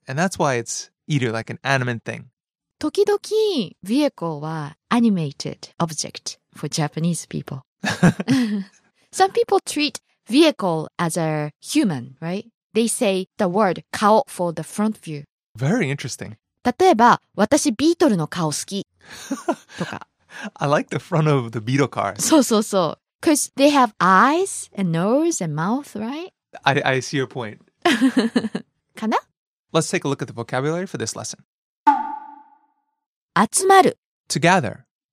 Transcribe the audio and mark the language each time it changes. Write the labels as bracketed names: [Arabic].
[English] And that's why it's either like an animate thing. [Japanese] 時々 [English] vehicle [Japanese] は [English] animated object for Japanese people. Some people treat vehicle as a human, right? They say the word 顔 for the front view. Very interesting. [Japanese] 例えば、私ビートルの顔好きとか。 [English] I like the front of the Beetle car. [Japanese] そうそうそう。 [English] Because they have eyes and nose and mouth, right? I see your point. [Japanese] かな? [English] Let's take a look at the vocabulary for this lesson. [Japanese] 集まる [English] Together.